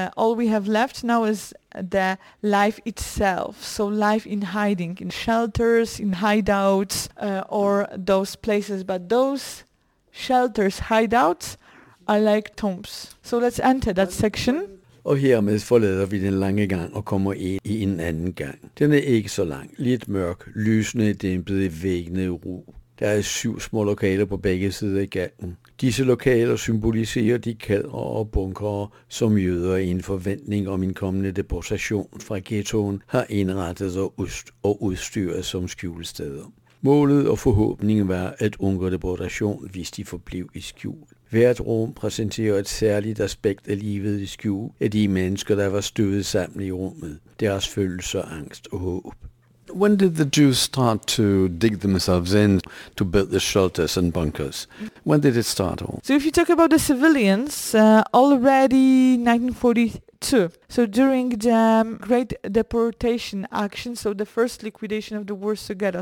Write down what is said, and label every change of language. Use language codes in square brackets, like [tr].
[en] All we have left now is the life itself. So life in hiding, in shelters, in hideouts, or those places. But those shelters, hideouts, are like tombs. So let's enter that section. [da] Og hermed forlader vi den lange gang og kommer ind i en anden gang. Den er ikke så lang, lidt mørk, lysende dæmpet i væggene i ro. Der er 7 små lokaler på begge sider af gangen. Disse lokaler symboliserer de kældre og bunkere, som jøder i en forventning om en kommende deportation fra ghettoen har indrettet sig og udstyret som skjulesteder. Målet og forhåbningen var at undgå deportation, hvis de forblev i skjul. Hvert rum præsenterer et særligt aspekt af livet i skjul af de mennesker, der var støvet sammen i rummet. Deres følelser, angst og håb. [en] When did the Jews start to dig themselves in to build the shelters and bunkers? When did it start all? So if you talk about the civilians, already 1942. So during the Great Deportation Action, so the first liquidation of the Warsaw Ghetto.